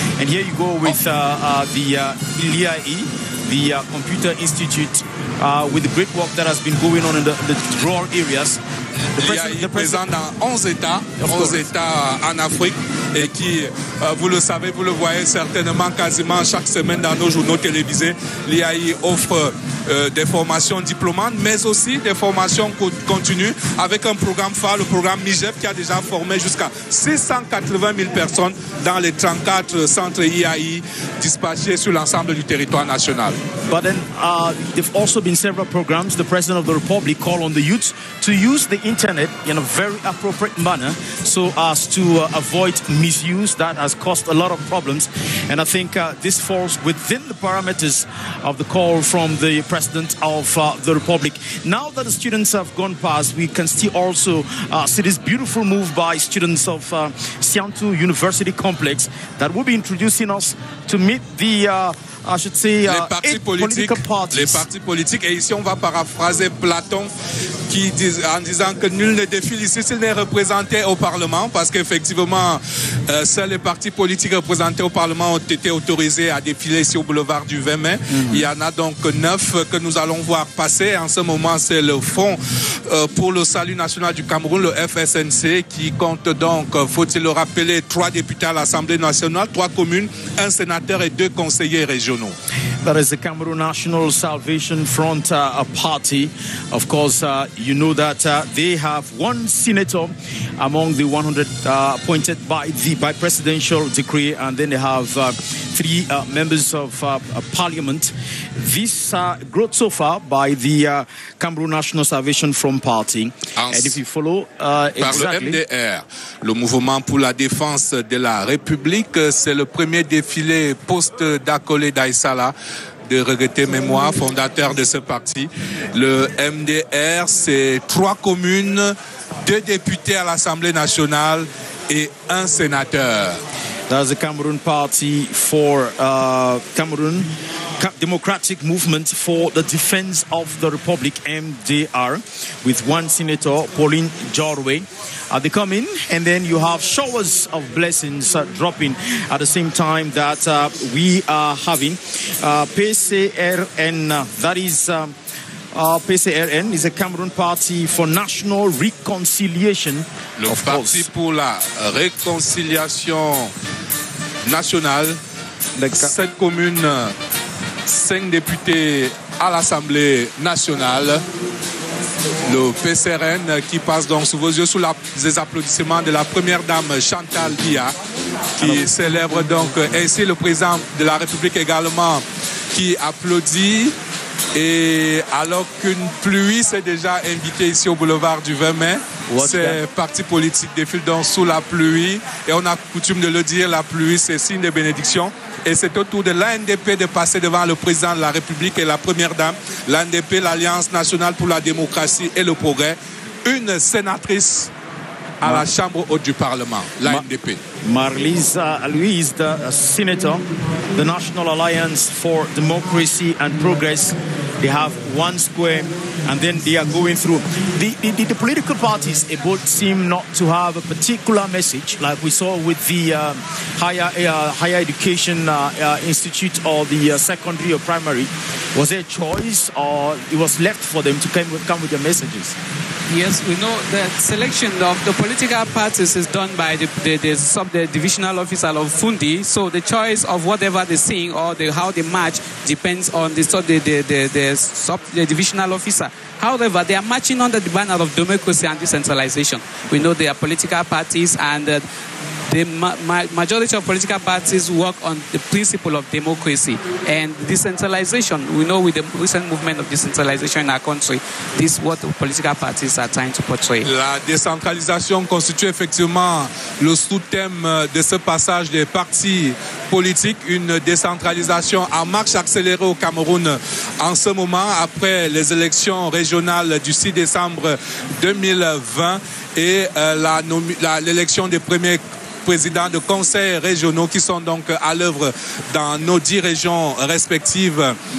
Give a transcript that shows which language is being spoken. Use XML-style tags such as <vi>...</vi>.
<en>And here you go with the ILIAI, the Computer Institute, with the great work that has been going on in the rural areas.</en> <fr>L'IAI présent dans 11 États, 11 États en Afrique, et qui, vous le savez, vous le voyez certainement quasiment chaque semaine dans nos journaux télévisés, l'IAI offre des formations diplômantes, mais aussi des formations continues avec un programme phare, le programme MIGEP, qui a déjà formé jusqu'à 680 000 personnes dans les 34 centres IAI dispatchés sur l'ensemble du territoire national.</fr> <en>But then, there have also been several programs. The President of the Republic called on the youth to use the internet in a very appropriate manner so as to avoid misuse that has caused a lot of problems. And I think this falls within the parameters of the call from the President of the Republic. Now that the students have gone past, we can still also see this beautiful move by students of Siantou University Complex that will be introducing us to meet the I should say,</en> <fr>les partis politiques. Les partis politiques. Et ici, on va paraphraser Platon qui dit, en disant que nul ne défile ici s'il n'est représenté au Parlement, parce qu'effectivement, seuls les partis politiques représentés au Parlement ont été autorisés à défiler ici au boulevard du 20 mai. Mm-hmm. Il y en a donc 9 que nous allons voir passer. En ce moment, c'est le Fonds pour le Salut National du Cameroun, le FSNC, qui compte donc, faut-il le rappeler, 3 députés à l'Assemblée nationale, 3 communes, 1 sénateur et 2 conseillers régionaux.</fr> <en>That is the Cameroon National Salvation Front Party. Of course, you know that they have one senator among the 100 appointed by the presidential decree, and then they have 3 members of parliament. This growth so far by the Cameroon National Salvation Front Party. And if you follow,</en> <fr>Par le MDR, le mouvement pour la défense de la République, c'est le premier défilé post-Dakolé Daïsala, de regretté mémoire, fondateur de ce parti. Le MDR, c'est 3 communes, 2 députés à l'Assemblée nationale et 1 sénateur.</fr> <en>That's the Cameroon Party for Cameroon Democratic Movement for the Defense of the Republic, MDR, with one senator, Pauline Jarway. They come in, and then you have showers of blessings dropping at the same time that we are having PCRN, that is PCRN is a Cameroon Party for National Reconciliation.</en> <fr>Le Parti pour la Réconciliation Nationale, 7 communes, 5 députés à l'Assemblée Nationale. Le PCRN qui passe donc sous vos yeux, sous les applaudissements de la première dame Chantal Biya, qui célèbre donc ainsi le président de la République également, qui applaudit. Et alors qu'une pluie s'est déjà invitée ici au boulevard du 20 mai, ces partis politiques défilent donc sous la pluie. Et on a coutume de le dire, la pluie c'est signe de bénédiction. Et c'est au tour de l'ANDP de passer devant le président de la République et la première dame. L'ANDP, l'Alliance nationale pour la démocratie et le progrès. Une sénatrice à la Chambre haute du Parlement, l'ANDP.</fr> <en>Marlise Louise, the senator, the National Alliance for Democracy and Progress. They have one square and then they are going through. The political parties both seem not to have a particular message, like we saw with the higher education institute or the secondary or primary. Was there a choice or it was left for them to come with their messages? Yes, we know that selection of the political parties is done by the divisional officer of Fundi. So the choice of whatever they sing or how they march depends on the divisional officer. However, they are marching under the banner of democracy and decentralization. We know they are political parties, and the majority of political parties work on the principle of democracy and decentralization. We know with the recent movement of decentralization in our country, this is what the political parties are trying to portray.</en> <fr>La décentralisation constitue effectivement le sous-thème de ce passage des partis politiques, une décentralisation en marche accélérée au Cameroun en ce moment après les élections régionales du 6 décembre 2020 et l'élection des premiers présidents de conseils régionaux qui sont donc à l'œuvre dans nos 10 régions respectives.</fr>